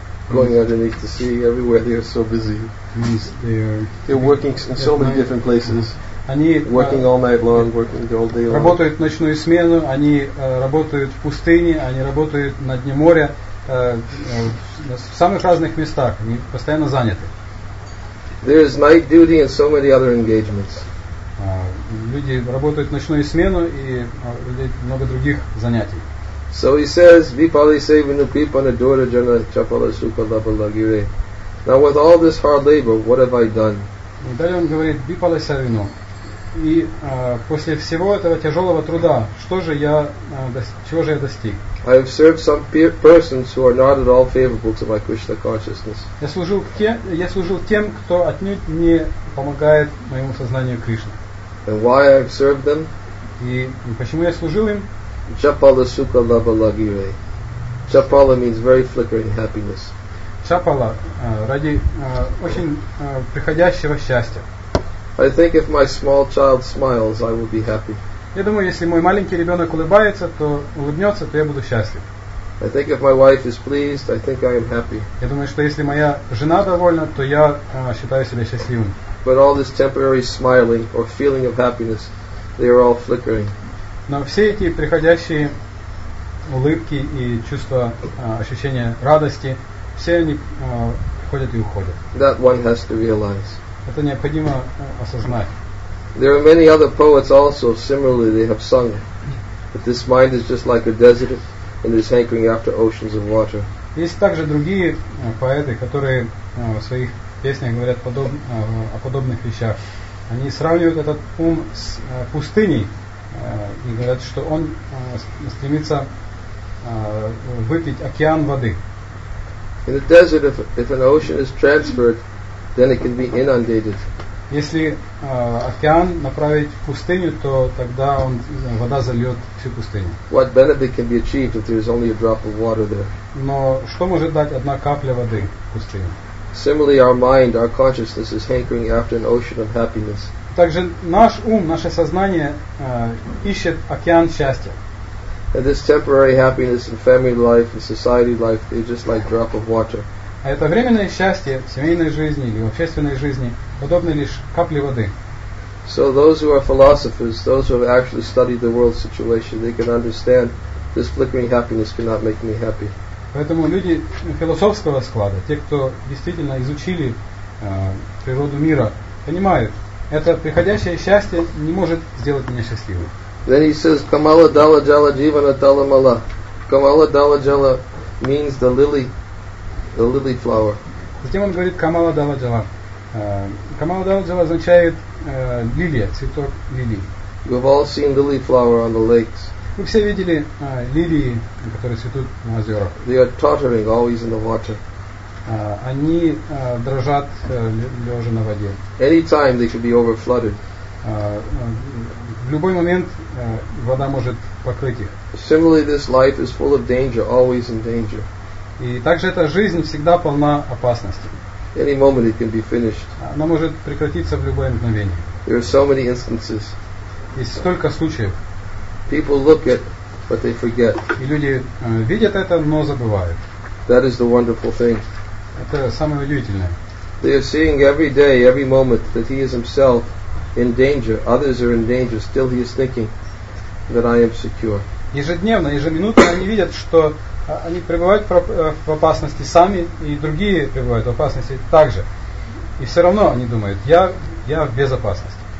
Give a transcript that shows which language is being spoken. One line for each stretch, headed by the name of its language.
English: Going underneath the sea, everywhere they are so busy. They're working in so many different places.
Russian: Они
English: working all night long, working all day long.
Russian: Работают ночную смену, они работают в пустыне, они работают на дне моря, в самых разных местах, они постоянно заняты.
English: There is night duty and so many other engagements.
Russian: Люди работают в ночную смену и много других занятий.
English: So he says,
Bangla: Vipali Sevanu Pipana Dura Jana Chapala Sukha Lava Lagire.
English: Now with all this hard labor, what have I done?
Russian: И далее он говорит, Vipali Sevanu. И после всего этого тяжелого труда, чего же я достиг?
English: I have served some persons who are not at all favorable to my Krishna consciousness.
Russian: Я служил тем, кто отнюдь не помогает моему сознанию Кришны.
English: And why I have served them?
Russian: И почему я служил им?
Bangla: Chapala sukha lava lagire.
English: Chapala means very flickering happiness.
Russian: Chapala ради очень приходящего счастья.
English: I think if my small child smiles, I will be happy.
Russian: Я думаю, если мой маленький ребенок улыбнется, то я буду счастлив.
English: I think if my wife is pleased, I think I am happy.
Russian: Я думаю, что если моя жена довольна, то я считаю себя счастливым.
English: But all this temporary smiling or feeling of happiness, they are all flickering.
Russian: Но все эти приходящие улыбки и чувства ощущения радости, все они приходят и уходят.
English: That one has to realize.
Russian: Это необходимо осознать.
English: There are many other poets also, similarly they have sung, but this mind is just like a desert and is hankering after oceans of water.
Russian: Есть также другие поэты, которые в своих песнях говорят о подобных вещах. Они сравнивают этот ум с пустыней и говорят, что он стремится выпить океан воды.
English: In the desert, if an ocean is transferred, then it can be inundated.
Russian: Если океан направить в пустыню, то тогда вода зальет всю пустыню.
English: What benefit can be achieved if there is only a drop of water there?
Russian: Но что может дать одна капля воды в пустыне?
English: Similarly, our mind, our consciousness is hankering after an ocean of happiness.
Russian: Также наш ум, наше сознание ищет океан счастья.
English: And this temporary happiness in family life and society life is just like a drop of water.
Russian: А это временное счастье в семейной жизни или в общественной жизни подобно лишь капле воды.
English: So those who are philosophers, those who have actually studied the world situation, they can understand this flickering happiness cannot make me happy.
Russian: Поэтому люди философского склада, те, кто действительно изучили природу мира, понимают, это приходящее счастье не может сделать меня счастливым.
English: Then he says,
Bangla: Kamala Dala Jala Jivana Dala Mala.
English: Kamala Dala Jala means the lily flower.
Russian: Затем он говорит Kamala Dala Jala. Kamala Dala Jala означает лилия, цветок лилии.
English: We've all seen lily flower on the lakes.
Russian: Вы все видели лилии, которые цветут на озерах.
English: They are tottering always in the water.
Russian: Они дрожат лежа на воде.
English: Anytime they could be overflooded.
Russian: В любой момент вода может покрыть их.
English: Similarly, this life is full of danger, always in danger.
Russian: И также эта жизнь всегда полна опасностей.
English: Any moment it can be finished.
Russian: Она может прекратиться в любое мгновение.
English: There are so many instances.
Russian: Есть столько случаев.
English: People look at, but they forget.
Russian: И люди видят это, но забывают.
English: That is the wonderful thing.
Russian: Это самое удивительное.
English: They are seeing every day, every moment that he is himself in danger. Others are in danger. Still, he is thinking that I am secure.
Russian: Ежедневно, ежеминутно они видят, что они пребывают в опасности сами, и другие пребывают в опасности также. И все равно они думают: я в безопасности.